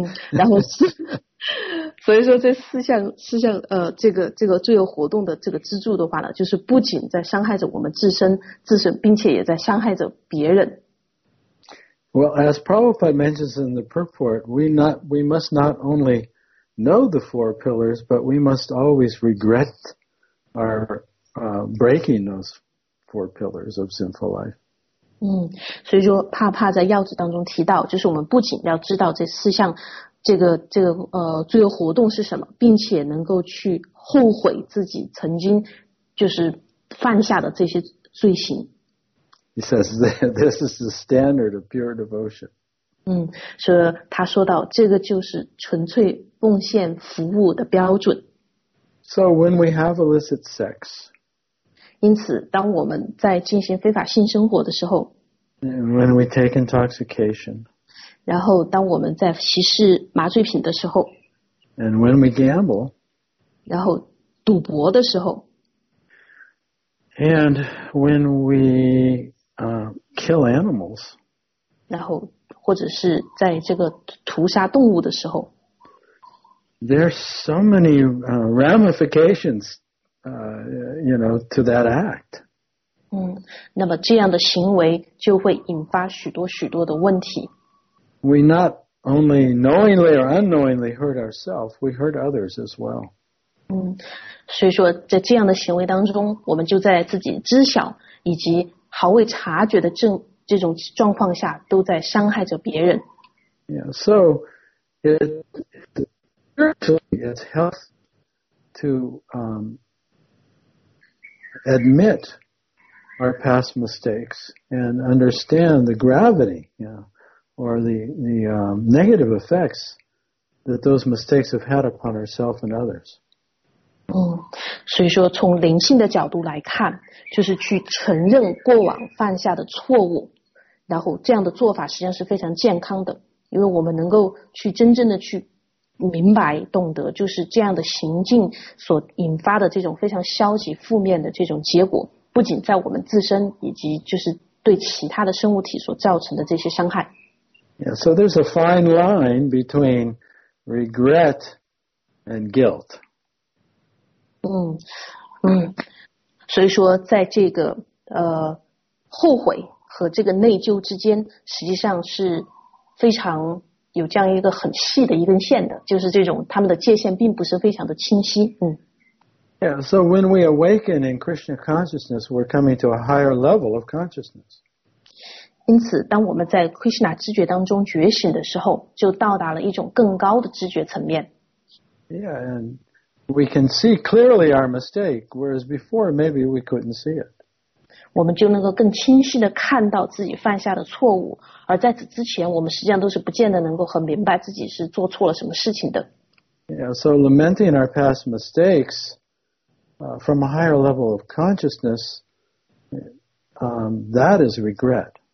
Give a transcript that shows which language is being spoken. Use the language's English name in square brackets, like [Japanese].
[Chinese] 然后是，所以说这四项这个罪恶活动的这个支柱的话呢，就是不仅在伤害着我们自身，并且也在伤害着别人。 [English] Well, as Prabhupada mentions in the purport, we must not only know the four pillars, but we must always regret our breaking those four pillars of sinful life. [Chinese] 所以说帕在要旨当中提到，就是我们不仅要知道这四项这个罪恶活动是什么，并且能够去后悔自己曾经就是犯下的这些罪行。 [English] He says this is the standard of pure devotion. [Chinese] 所以他说到这个就是纯粹奉献服务的标准。 [English] So when we have illicit sex, [Chinese] 因此当我们在进行非法性生活的时候， [English] when we take intoxication, [Chinese] 然后当我们在吸食麻醉品的时候， [English] and when we gamble, [Chinese] 然后赌博的时候， [English] and when we kill animals, [Chinese] 然后或者是在这个屠杀动物的时候， [English] there are so many ramifications, to that act. [Chinese] 那么这样的行为就会引发许多许多的问题。 [English] We not only knowingly or unknowingly hurt ourselves, we hurt others as well. [Chinese] 所以说在这样的行为当中，我们就在自己知晓以及毫未察觉的这种状况下都在伤害着别人。 [English] Yeah, so it's healthy to admit our past mistakes and understand the gravity, or the negative effects that those mistakes have had upon ourselves and others. [Chinese] 所以说从灵性的角度来看，就是去承认过往犯下的错误，然后这样的做法实际上是非常健康的，因为我们能够去真正的去明白懂得就是这样的行径所引发的这种非常消极负面的这种结果，不仅在我们自身以及就是对其他的生物体所造成的这些伤害。 [English] Yeah, so there's a fine line between regret and guilt. [Chinese] 所以说在这个后悔和这个内疚之间实际上是非常有这样一个很细的一根线的，就是这种他们的界限并不是非常的清晰。 [English] Yeah, so when we awaken in Krishna consciousness, we're coming to a higher level of consciousness. [Chinese] 因此当我们在 Krishna 知觉当中觉醒的时候，就到达了一种更高的知觉层面。 [English] Yeah, and we can see clearly our mistake, whereas before maybe we couldn't see it. [Chinese] 我们就能够更清晰地看到自己犯下的错误，而在此之前我们实际上都是不见得能够很明白自己是做错了什么事情的。 [English] Yeah, so lamenting our past mistakes,from a higher level of consciousness, that is regret.